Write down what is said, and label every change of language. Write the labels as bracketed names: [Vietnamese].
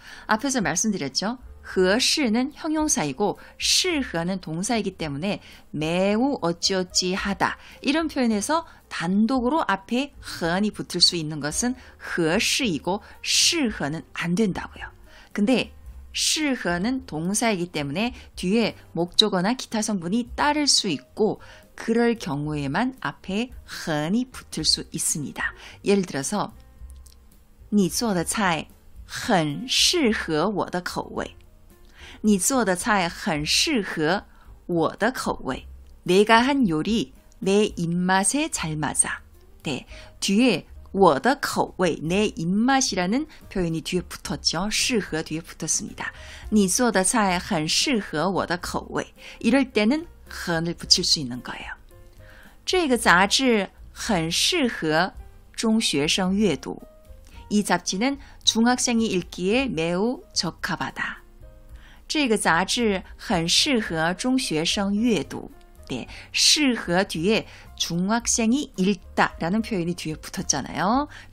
[Korean] 앞에서 말씀드렸죠? 허시는 형용사이고 시허는 동사이기 때문에 매우 어찌어찌하다 이런 표현에서 단독으로 앞에 흔히 붙을 수 있는 것은 허시이고 시허는 안 된다고요. 근데 시허는 동사이기 때문에 뒤에 목적어나 기타 성분이 따를 수 있고 그럴 경우에만 앞에 흔이 붙을 수 있습니다. 예를 들어서 [Chinese] 你做的菜很适合我的口味。你做的菜很适合我的口味。 [Korean] 내가 한 요리 내 입맛에 잘 맞아. 네, 뒤에 我的口味, 내 입맛이라는 표현이 뒤에 붙었죠. 시허 뒤에 붙었습니다. [Chinese] 你做的菜很适合我的口味. [Korean] 이럴 때는 很을 붙일 수 있는 거예요. [Chinese] 这个杂志很适合中学生阅读. [Korean] 이 잡지는 중학생이 읽기에 매우 적합하다. [Chinese] 这个杂志很适合中学生阅读. [Korean] 네, 시허 뒤에 중학생이 읽다 라는 표현이 뒤에 붙었잖아요.